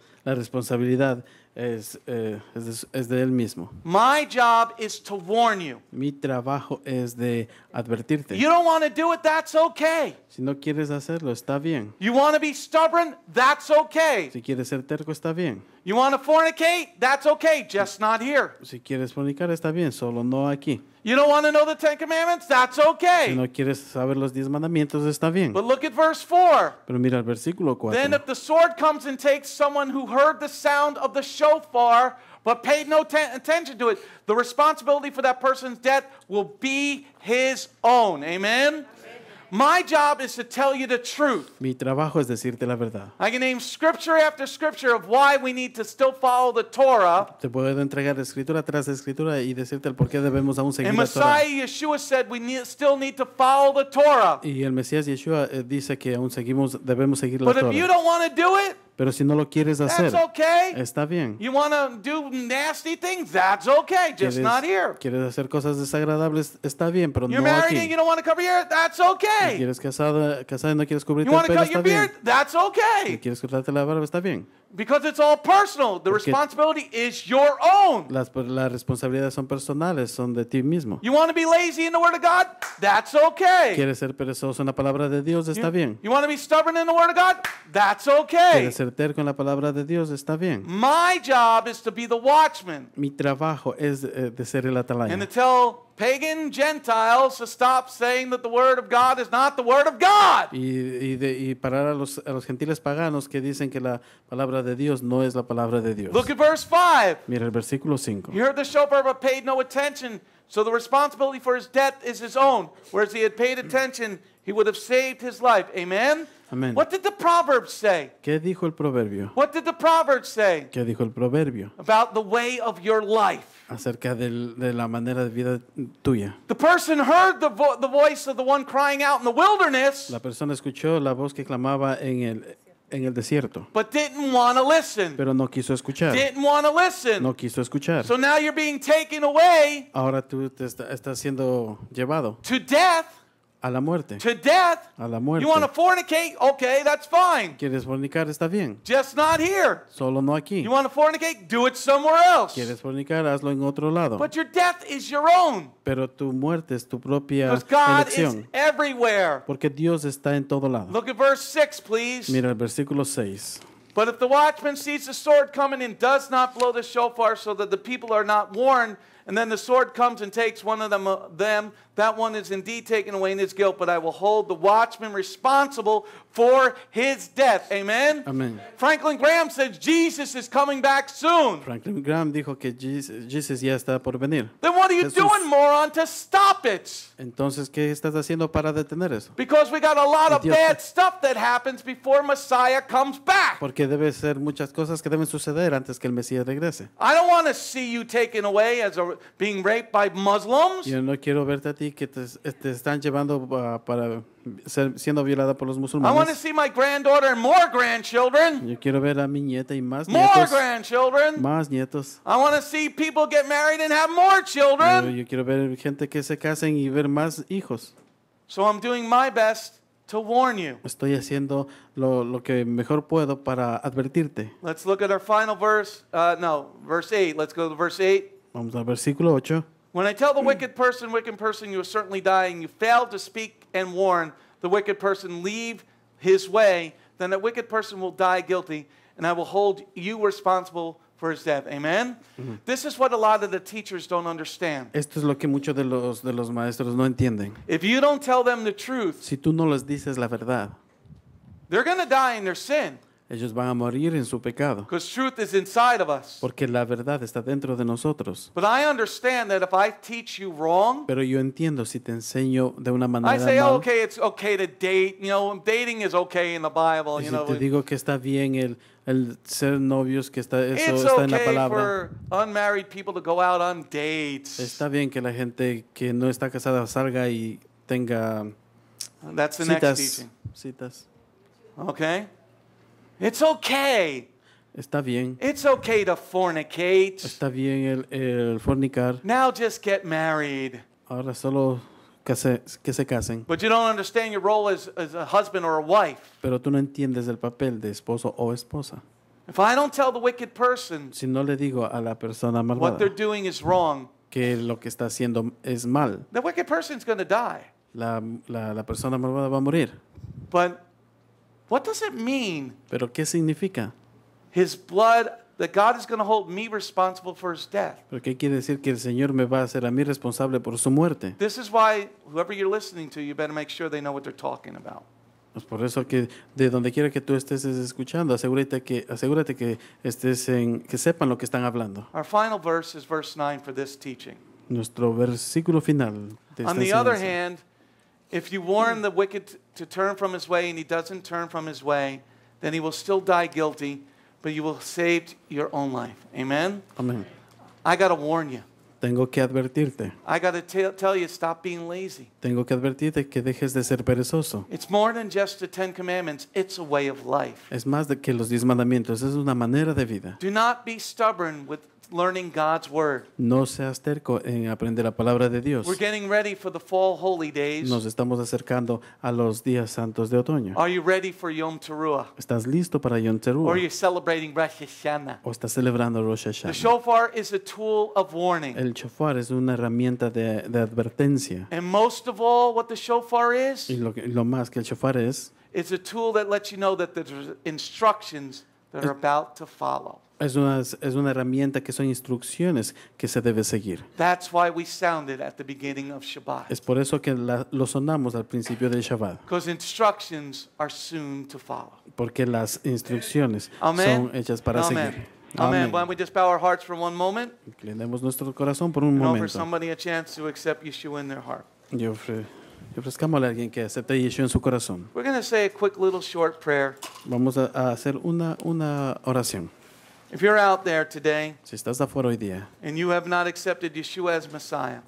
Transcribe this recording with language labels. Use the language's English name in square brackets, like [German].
[Spanish] La responsabilidad es de él mismo. [English] My job is to warn you. [Spanish] Mi trabajo es de advertirte. [English] You don't want to do it, that's okay. [Spanish] Si no quieres hacerlo, está bien. [English] You want to be stubborn, that's okay. [Spanish] Si quieres ser terco, está bien. [English] You want to fornicate, that's okay, just not here. [Spanish] Si quieres fornicar, está bien, solo no aquí. [English] You don't want to know the Ten Commandments? That's okay. [Spanish] Si no quieres saber los diez mandamientos, está bien. [English] But look at verse 4. [Spanish] Pero mira el versículo 4. [English] Then if the sword comes and takes someone who heard the sound of the shofar but paid no attention to it, the responsibility for that person's death will be his own. Amen? My job is to tell you the truth. [Spanish] Mi trabajo es decirte la verdad. [English] I can name scripture after scripture of why we need to still follow the Torah. [Spanish] Te puedo entregar escritura tras escritura y decirte el por qué debemos aún seguir [English] and [Spanish] la [English] Messiah [Spanish] Torah. [English] And Messiah Yeshua said we still need to follow the Torah. [Spanish] Y el Mesías Yeshua dice que aún seguimos debemos seguir [English] but But if you don't want to do it, [Spanish] pero si no lo quieres hacer, [English] that's okay. [Spanish] Está bien. [English] You want to do nasty things? That's okay. Just not here. [Spanish] ¿Quieres hacer cosas desagradables? Está bien, pero [English] you're [Spanish] no aquí. [English] You're married and you don't want to cover your hair? That's okay. [Spanish] ¿Quieres casada y no quieres cubrirte [English] you [Spanish] el pelo? [English] You want to cut your beard? [Spanish] Bien. [English] That's okay. [Spanish] ¿Quieres cortarte la barba? Está bien. [English] Because it's all personal. The [Spanish] porque [English] responsibility is your own. [Spanish] Las responsabilidades son personales, son de ti mismo. [English] You want to be lazy in the Word of God? That's okay. [Spanish] ¿Quieres ser perezoso en la palabra de Dios? Está bien. [English] You want to be stubborn in the Word of God? That's okay. [Spanish] ¿Quieres ser terco en la palabra de Dios? Está bien. [English] My job is to be the watchman. [Spanish] Mi trabajo es de ser el atalaya. [English] And to tell pagan Gentiles to stop saying that the word of God is not the word of God. [Spanish] Y parar a los gentiles paganos que dicen que la palabra de Dios no es la palabra de Dios. [English] Look at verse 5. [Spanish] Mira el versículo 5. [English] He heard the shofar but paid no attention, so the responsibility for his death is his own. Whereas he had paid attention, he would have saved his life. Amen? Amen. What did the Proverbs say? [Spanish] ¿Qué dijo el proverbio? [English] What did the Proverbs say? [Spanish] ¿Qué dijo el proverbio? [English] About the way of your life. [Spanish] Acerca de la manera de vida tuya. [English] The person heard the voice of the one crying out in the wilderness. [Spanish] La persona escuchó la voz que clamaba en el desierto. [English] But didn't want to listen. [Spanish] Pero no quiso escuchar. [English] Didn't want to listen. [Spanish] No quiso escuchar. [English] So now you're being taken away. [Spanish] Ahora tú te estás siendo llevado. [English] To death. [Spanish] A la muerte. [English] To death. [Spanish] A la muerte. [English] You want to fornicate? Okay, that's fine. [Spanish] ¿Quieres fornicar? Está bien. [English] Just not here. [Spanish] Solo no aquí. [English] You want to fornicate? Do it somewhere else. [Spanish] ¿Quieres fornicar? Hazlo en otro lado. [English] But your death is your own. [Spanish] Pero tu muerte es tu propia [English] God [Spanish] elección. [English] Is everywhere. [Spanish] Porque Dios está en todo lado. [English] Look at verse 6, please. [Spanish] Mira el versículo 6. [English] But if the watchman sees the sword coming and does not blow the shofar so that the people are not warned, and then the sword comes and takes one of them, that one is indeed taken away in his guilt, but I will hold the watchman responsible for his death. Amen? Amen. Franklin Graham said Jesus is coming back soon. [Spanish] Franklin Graham dijo que Jesus ya está por venir. [English] Then what are you Jesus. Doing, moron, to stop it? [Spanish] Entonces, ¿qué estás haciendo para detener eso? [English] Because we got a lot of bad stuff that happens before Messiah comes back. [Spanish] Porque debe ser muchas cosas que deben suceder antes que el Mesías regrese. [English] I don't want to see you taken away as being raped by Muslims. [Spanish] Yo no quiero verte a ti que te están llevando para ser siendo violada por los musulmanes. [English] I want to see my granddaughter and more grandchildren. [Spanish] Yo quiero ver a mi nieta y más nietos. [English] More grandchildren. [Spanish] Más nietos. [English] I want to see people get married and have more children. [Spanish] Yo quiero ver gente que se casen y ver más hijos. [English] So I'm doing my best to warn you. [Spanish] Estoy haciendo lo que mejor puedo para advertirte. [English] Let's look at our final verse. Verse 8. Let's go to verse 8. [Spanish] Vamos al versículo 8. [English] When I tell the wicked person, you are certainly dying. You fail to speak and warn the wicked person, leave his way. Then that wicked person will die guilty, and I will hold you responsible for his death. Amen? Mm-hmm. This is what a lot of the teachers don't understand. [Spanish] Esto es lo que muchos de los maestros no entienden. [English] If you don't tell them the truth, [Spanish] si tú no les dices la verdad, [English] they're going to die in their sin. [Spanish] Ellos van a morir en su pecado. [English] Because truth is inside of us. [Spanish] Porque la verdad está dentro de nosotros. [English] But I understand that if I teach you wrong, [Spanish] pero yo entiendo si te enseño de una manera [English] I say, [Spanish] mal, [English] oh, okay, it's okay to date. You know, dating is okay in the Bible. [Spanish] Y [English] you [Spanish] si [English] know, [Spanish] te digo que está bien el ser novios, que está, eso [English] it's [Spanish] está [English] okay [Spanish] en la palabra. [English] For unmarried people to go out on dates. [Spanish] Está bien que la gente que no está casada salga y tenga [English] that's the [Spanish] citas, [English] next teaching. [Spanish] Citas. [English] Okay. It's okay. [Spanish] Está bien. [English] It's okay to fornicate. [Spanish] Está bien el fornicar. [English] Now just get married. [Spanish] Ahora solo que se casen. [English] But you don't understand your role as a husband or a wife. [Spanish] Pero tú no entiendes el papel de esposo o esposa. [English] If I don't tell the wicked person, [Spanish] si no le digo a la persona malvada, [English] what they're doing is wrong, [Spanish] que lo que está haciendo es mal, [English] the wicked person is going to die. [Spanish] La persona malvada va a morir. [English] But what does it mean? [Spanish] Pero qué significa? [English] His blood, that God is going to hold me responsible for his death. [Spanish] ¿Pero qué quiere decir que el Señor me va a hacer a mí responsable por su muerte? [English] This is why whoever you're listening to, you better make sure they know what they're talking about. [Spanish] Pues por eso que de donde quiera que tú estés escuchando, asegúrate que estés en que sepan lo que están hablando. [English] Our final verse is verse 9 for this teaching. [Spanish] Nuestro versículo final. [English] On the other hand, if you warn the wicked to turn from his way and he doesn't turn from his way, then he will still die guilty. But you will save your own life. Amen? Amen. I got to warn you. [Spanish] Tengo que advertirte. [English] I got to tell you, stop being lazy. [Spanish] Tengo que advertirte que dejes de ser perezoso. [English] It's more than just the Ten Commandments. It's a way of life. [Spanish] Es más de que los 10 mandamientos. Es una manera de vida. [English] Do not be stubborn with learning God's Word. [Spanish] No seas terco en aprender la palabra de Dios. [English] We're getting ready for the fall holy days. [Spanish] Nos estamos acercando a los días santos de otoño. [English] Are you ready for Yom Teruah? [Spanish] ¿Estás listo para Yom Teruah? [English] Or are you celebrating Rosh Hashanna? [Spanish] ¿O estás celebrando Rosh Hashanah? [English] The shofar is a tool of warning. [Spanish] El shofar es una herramienta de advertencia. [English] And most of all, what the shofar is, [Spanish] y lo más que el shofar es, [English] it's a tool that lets you know that there's instructions that are about to follow. [Spanish] Es una herramienta que son instrucciones que se debe seguir. [English] That's why we sounded at the beginning of Shabbat. [Spanish] Es por eso que lo sonamos al principio del Shabbat. [English] Because instructions are soon to follow. [Spanish] Porque las instrucciones son hechas para [English] Amen. [Spanish] Seguir. [English] Amen. Why don't we just bow our hearts for one moment? [Spanish] Inclinemos nuestro corazón por un momento. [English] Offer somebody a chance to accept Yeshua in their heart. [Spanish] Ofrezcamos a alguien que acepte a Yeshua en su corazón. [English] We're going to say a quick little short prayer. [Spanish] Vamos a hacer una oración. [English] If you're out there today, [Spanish] si estás afuera hoy día, [English] and you have not accepted Yeshua as Messiah,